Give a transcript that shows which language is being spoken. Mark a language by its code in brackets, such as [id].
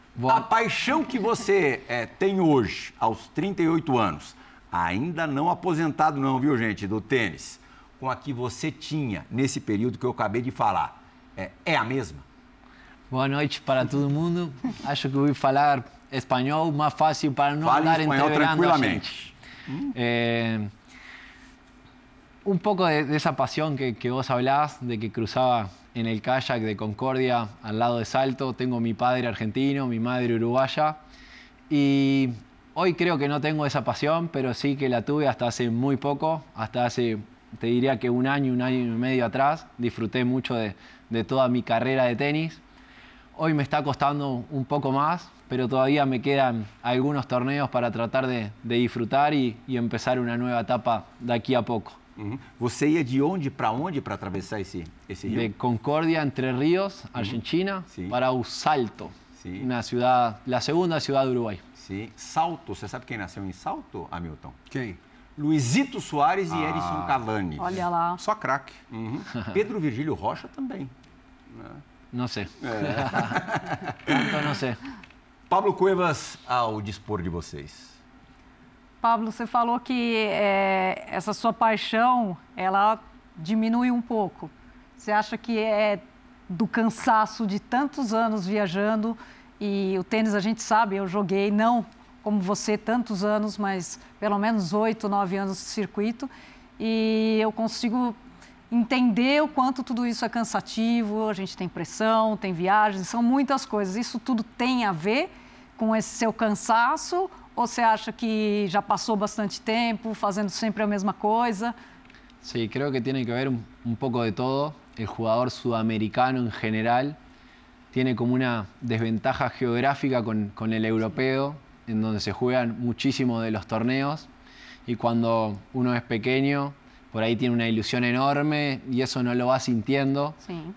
[pt] A paixão que você tem hoje, aos 38 anos, ainda não aposentado não, viu gente, do tênis, com a que você tinha nesse período que eu acabei de falar, é a mesma? Boa noite para todo mundo. Acho que eu vou falar espanhol, mais fácil para não Fale andar entreverando tranquilamente. [es] Un poco de esa pasión que vos hablás, de que cruzaba en el kayak de Concordia al lado de Salto. Tengo mi padre argentino, mi madre uruguaya. Y hoy creo que no tengo esa pasión, pero sí que la tuve hasta hace muy poco. Hasta hace, te diría que un año y medio atrás. Disfruté mucho de toda mi carrera de tenis. Hoy me está costando un poco más, pero todavía me quedan algunos torneos para tratar de disfrutar y empezar una nueva etapa de aquí a poco. [pt] Você ia de onde para onde para atravessar esse rio? De Concordia, Entre Ríos, Argentina, para o Salto, na cidade, a segunda cidade do Uruguai. Sim. Salto, você sabe quem nasceu em Salto, Hamilton? Quem? Luisito Soares e Erison Cavani. Olha lá. Só craque. Pedro Virgílio Rocha também. Não sei. Então não sei. Pablo Cuevas, ao dispor de vocês. Pablo, você falou que essa sua paixão, ela diminui um pouco. Você acha que é do cansaço de tantos anos viajando e o tênis, a gente sabe, eu joguei, não como você, tantos anos, mas pelo menos 8, 9 anos de circuito. E eu consigo entender o quanto tudo isso é cansativo, a gente tem pressão, tem viagens, são muitas coisas. Isso tudo tem a ver com esse seu cansaço? Ou você acha que já passou bastante tempo fazendo sempre a mesma coisa? [es] Sim, sí, creo que tiene que ver un poco de todo. El jugador sudamericano en general tiene como una desventaja geográfica con el europeo, en donde se juegan muchísimos de los torneos. Y cuando uno es pequeño, por ahí tiene una ilusión enorme y eso no lo va sintiendo. Sí.